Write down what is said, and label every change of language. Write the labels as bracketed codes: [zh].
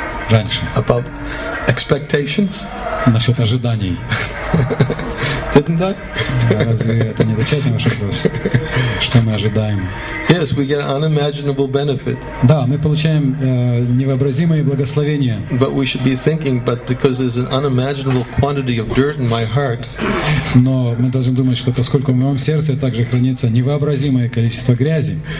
[ru] Раньше. [en] About expectations. [ru] Насчет ожиданий. [en] Didn't I? [ru] Разве это не отвечает на ваш вопрос? Что мы ожидаем? [en] Yes, we get unimaginable benefit. [ru] Да, мы получаем невообразимые благословения. [en] But we should be thinking, but because there's an unimaginable quantity of dirt in my heart. [ru] Но мы должны думать, что поскольку в моем сердце также хранится невообразимое количество грязи,